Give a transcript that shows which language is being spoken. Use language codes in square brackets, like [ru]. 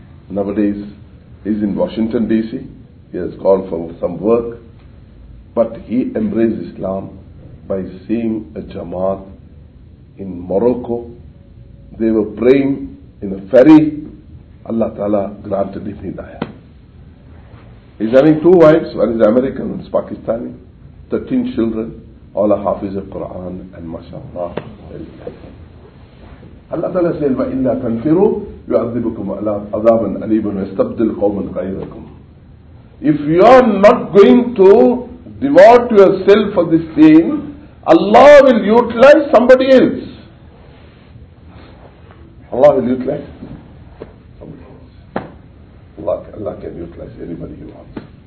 [en] Nowadays, he's in Washington, D.C. He has gone for some work, but he embraced Islam by seeing a Jamaat in Morocco. They were praying in a ferry. Allah Ta'ala granted him Hidayah. He's having two wives, one is American, one is Pakistani, 13 children, all are Hafiz of Quran, and MashaAllah. Allah Ta'ala says, [ar] وَإِلَّا تَنْفِرُوا يُعَذِّبُكُمْ عَذَابًا أَلِيبًا وَيَسْتَبْدِلْ قَوْمًا غَيْرَكُمْ. [en] If you are not going to devote yourself for this thing, Allah will utilize somebody else. Allah will utilize somebody else. Allah can utilize anybody he wants.